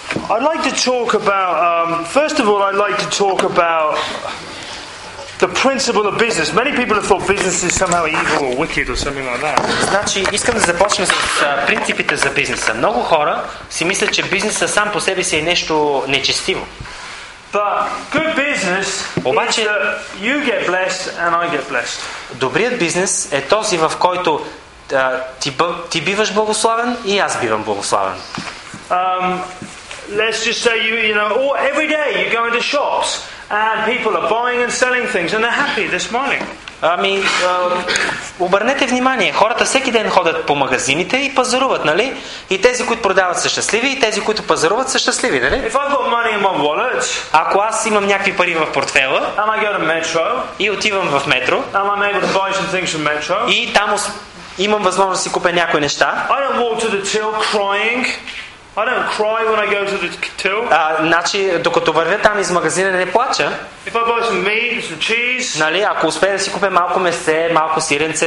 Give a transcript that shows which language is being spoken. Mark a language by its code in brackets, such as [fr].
[en] I'd like to talk about, first of all, I'd like to talk about the principle of business. Many people have thought business is somehow evil or wicked or something like that. [bg] Значи, искам да започна с принципите за бизнеса. Много хора си мислят, че бизнеса сам по себе си е нещо нечестиво. [en] But good business [bg] обаче, [en] is that you get blessed and I get blessed. [bg] Добрият бизнес е този, в който ти биваш благославен и аз бивам благославен. [en] Let's just say you know, every day you go into shops and people are buying and selling things and they're happy, they're smiling. [bg] Ами, обърнете внимание, хората всеки ден ходят по магазините и пазаруват, нали? И тези, които продават са щастливи, и тези, които пазаруват са щастливи, нали? [en] If I've got money in my wallet, [bg] ако аз имам някакви пари в портфела, [en] and I go to metro, [bg] и отивам в метро, [en] and I'm able to buy some things from metro, [bg] и там имам възможност да си купя някои неща, [en] I don't walk to the till crying. I don't cry when I go to the till. [bg] Значи, докато вървя там из магазина, не плача. If I buy some meat, some cheese. Нали, ако успея да си купя малко месе, малко сиренце.